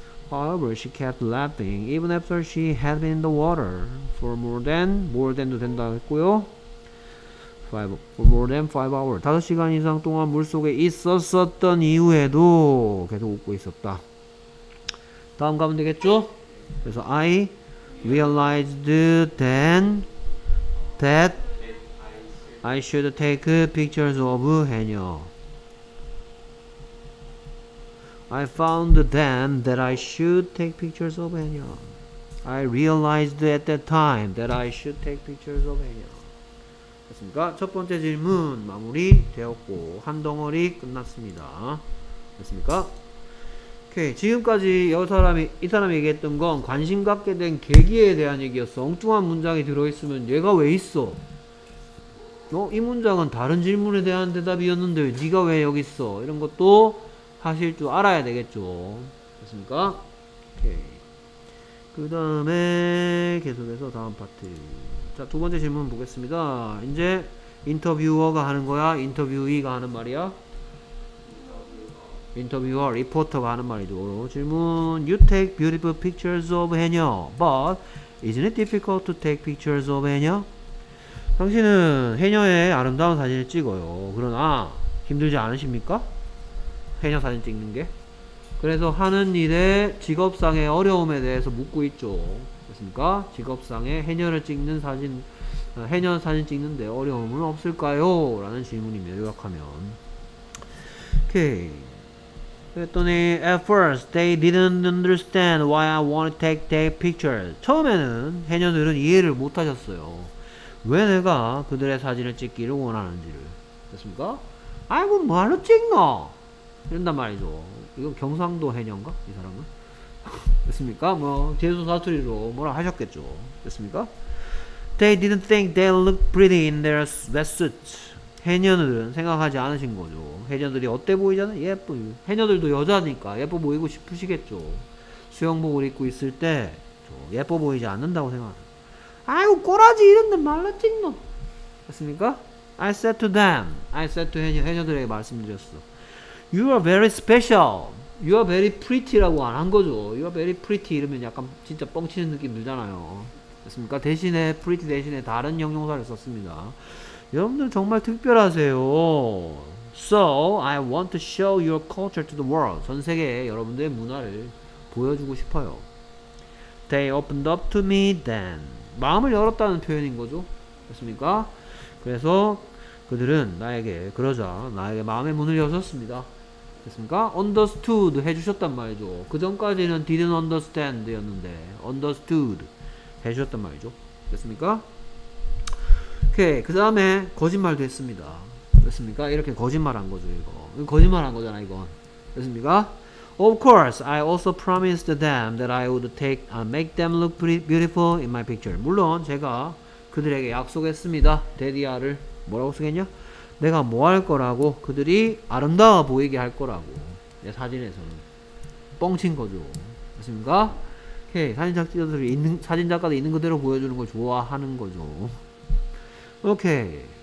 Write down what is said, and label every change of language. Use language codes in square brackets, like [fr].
[en] However, she kept laughing even after she had been in the water for more than [ko] 도 된다 했고요. [en] More than 5 hours. [ko] 5시간 이상 동안 물속에 있었었던 이후에도 계속 웃고 있었다. 다음 가면 되겠죠? 그래서 [en] I realized then that I should take pictures of 해녀. I found then that I should take pictures of 해녀. I realized at that time that I should take pictures of 해녀. [ko] 됐습니까? 첫 번째 질문 마무리 되었고 한 덩어리 끝났습니다. 됐습니까? 오케이 지금까지 이 사람이 얘기했던 건 관심 갖게 된 계기에 대한 얘기였어. 엉뚱한 문장이 들어있으면 얘가 왜 있어? 어? 이 문장은 다른 질문에 대한 대답이었는데 네가 왜 여기 있어? 이런 것도 사실 좀 알아야 되겠죠. 됐습니까? 오케이 그 다음에 계속해서 다음 파트 자, 두 번째 질문 보겠습니다. 이제 인터뷰어가 하는 거야? 인터뷰이가 하는 말이야? 인터뷰어, 리포터가 하는 말이죠. 질문, [en] You take beautiful pictures of 해녀, but isn't it difficult to take pictures of 해녀? [ko] 당신은 해녀의 아름다운 사진을 찍어요. 그러나 힘들지 않으십니까? 해녀 사진 찍는 게. 그래서 하는 일에 직업상의 어려움에 대해서 묻고 있죠. 습니까? 직업상에 해녀를 찍는 사진 해녀 사진 찍는데 어려움은 없을까요? 라는 질문이며 요약하면 오케이 그랬더니 [en] At first they didn't understand why I want to take their pictures [ko] 처음에는 해녀들은 이해를 못하셨어요 왜 내가 그들의 사진을 찍기를 원하는지를 됐습니까? 아이고 뭐하러 찍노? 이런단 말이죠 이건 경상도 해녀인가? 이 사람은? 됐습니까? 뭐 제주 사투리로 뭐라 하셨겠죠. 됐습니까? [en] They didn't think they looked pretty in their wetsuits. [ko] 해녀들은 생각하지 않으신 거죠. 해녀들이 어때 보이잖아? 예뻐. 해녀들도 여자니까 예뻐 보이고 싶으시겠죠. 수영복을 입고 있을 때 예뻐 보이지 않는다고 생각하죠. 아이고 꼬라지 이런데 말라 찍노. 됐습니까? [en] I said to 해녀, [ko] 해녀들에게 말씀드렸어. [en] You are very special. You are very pretty [ko] 라고 안 한 거죠. [en] You are very pretty [ko] 이러면 약간 진짜 뻥치는 느낌 들잖아요. 됐습니까? 대신에 pretty 대신에 다른 형용사를 썼습니다. 여러분들 정말 특별하세요. [en] So I want to show your culture to the world. [ko] 전 세계에 여러분들의 문화를 보여주고 싶어요. [en] They opened up to me then. [ko] 마음을 열었다는 표현인 거죠. 됐습니까? 그래서 그들은 나에게 그러자 나에게 마음의 문을 여셨습니다. 됐습니까? Understood 해주셨단 말이죠. 그 전까지는 didn't understand 였는데 Understood 해주셨단 말이죠. 됐습니까? 오케이 그 다음에 거짓말도 했습니다. 됐습니까? 이렇게 거짓말한 거죠 이거. 거짓말한 거잖아 이건. 됐습니까? [en] Of course I also promised them that I would make them look beautiful in my picture. [ko] 물론 제가 그들에게 약속했습니다. 데디아를 뭐라고 쓰겠냐? 내가 뭐 할 거라고 그들이 아름다워 보이게 할 거라고 내 사진에서는 뻥친 거죠 됐습니까? 오케이 사진작가들이 있는 사진작가도 있는 그대로 보여주는 걸 좋아하는 거죠 오케이